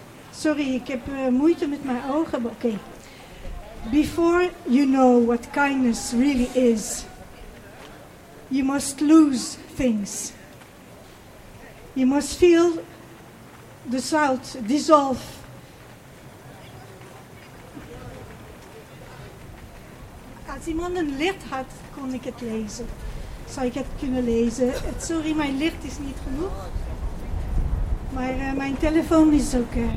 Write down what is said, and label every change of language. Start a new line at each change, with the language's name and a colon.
Dutch: Sorry, ik heb moeite met mijn ogen, maar oké.
English: Before you know what kindness really is, you must lose things. You must feel the salt dissolve.
Dutch: Als iemand een licht had, kon ik het lezen. Zou ik het kunnen lezen? Sorry, mijn licht is niet genoeg. Maar mijn telefoon is ook...